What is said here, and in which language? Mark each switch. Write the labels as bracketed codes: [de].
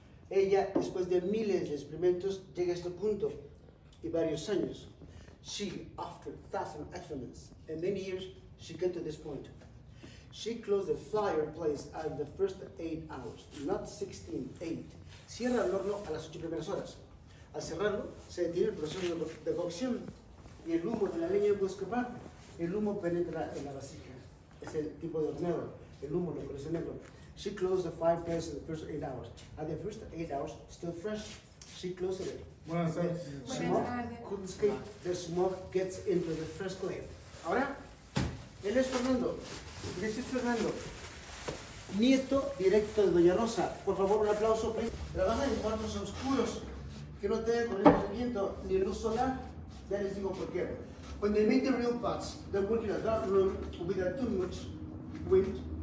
[es] Ella, después de miles de experimentos, llega a este punto y varios años. [en] She, after thousands of experiments and many years, she got to this point. She closed the fireplace at the first 8 hours, not 16, 8. [es] Cierra el horno a las 8 primeras horas. Al cerrarlo, se detiene el proceso de cocción y el humo de la leña puede escapar. El humo penetra en la vasija. Es el tipo de horneo. El humo, lo que es el negro. [en] She closed the fireplace in the first 8 hours. At the first 8 hours, still fresh, she closed it. [es] Buenas tardes. [en] Smoke couldn't escape. The smoke gets into the fresh clay. [es] Ahora, él es Fernando. [en] This is Fernando. [es] Nieto directo de Doña Rosa. Por favor, un aplauso. Trabaja en cuartos oscuros que no tenga corriente de viento ni luz solar. Ya les digo por qué. [en] When they make the real pots, they work in a dark room without too much wind.